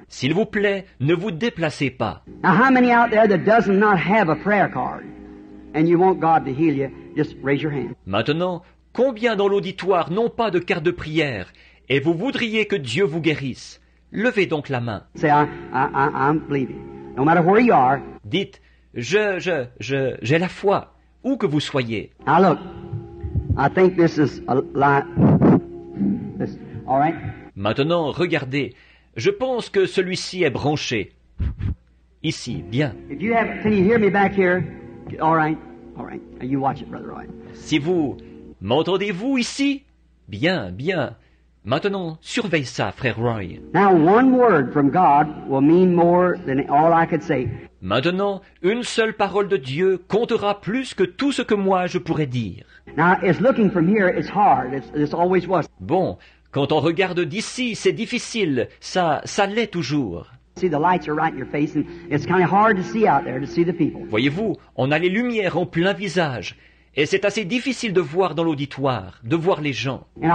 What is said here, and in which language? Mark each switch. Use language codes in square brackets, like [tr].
[fr] S'il vous plaît, ne vous déplacez pas. [en] Now, how many out there that does not have a prayer card and you want God to heal you, just raise your hand. [fr] Maintenant, combien dans l'auditoire n'ont pas de carte de prière et vous voudriez que Dieu vous guérisse? Levez donc la main. [en] Say, I'm believing. No matter where you are. [fr] Dites, j'ai la foi, où que vous soyez. [en] Now look, I think this is a lie. This, all right. [fr] Maintenant, regardez, je pense que celui-ci est branché. Ici, bien. [en] If you have, can you hear me back here? All right. You watch it, brother Roy. [fr] Si vous m'entendez-vous ici? Bien, bien. Maintenant, surveille ça, frère Roy. [en] Now, one word from God will mean more than all I could say. [fr] Maintenant, une seule parole de Dieu comptera plus que tout ce que moi je pourrais dire. [en] Now, it's looking from here, it's hard. It's always was. [fr] Bon, quand on regarde d'ici, c'est difficile. Ça l'est toujours. [en] See, the lights are right in your face, and it's kind of hard to see out there to see the people. [fr] Voyez-vous, on a les lumières en plein visage. Et c'est assez difficile de voir dans l'auditoire, de voir les gens.